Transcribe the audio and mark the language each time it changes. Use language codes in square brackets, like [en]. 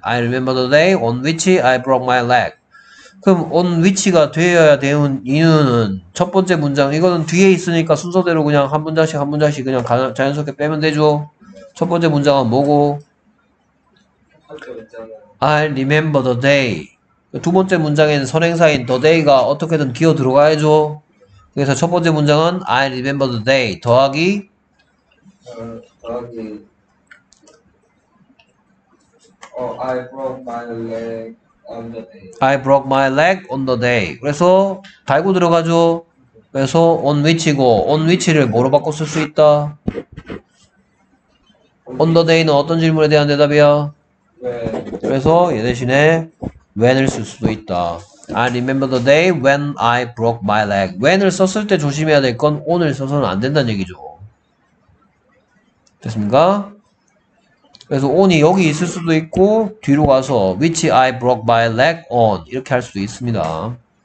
[en] I remember the day on which I broke my leg. [ko] 그럼 on which가 되어야 되는 이유는 첫 번째 문장 이거는 뒤에 있으니까 순서대로 그냥 한 문장씩 한 문장씩 그냥 자연스럽게 빼면 되죠. 첫 번째 문장은 뭐고? [en] I remember the day. [ko] 두 번째 문장에는 선행사인 the day가 어떻게든 기어 들어가야죠. 그래서 첫 번째 문장은 [en] I remember the day [ko] 더하기 더하기 [en] I broke my leg on the day. I broke my leg on the day. [ko] 그래서 달고 들어가죠. 그래서 on which고 on which를 뭐로 바꿔 쓸 수 있다. On the day는 어떤 질문에 대한 대답이야? 네. 그래서 얘 대신에 when을 쓸 수도 있다. [en] I remember the day when I broke my leg. [ko] when을 썼을 때 조심해야 될 건 on을 써서는 안 된다는 얘기죠. 됐습니까? 그래서 on이 여기 있을 수도 있고 뒤로 가서 [en] which I broke my leg on [ko] 이렇게 할 수도 있습니다.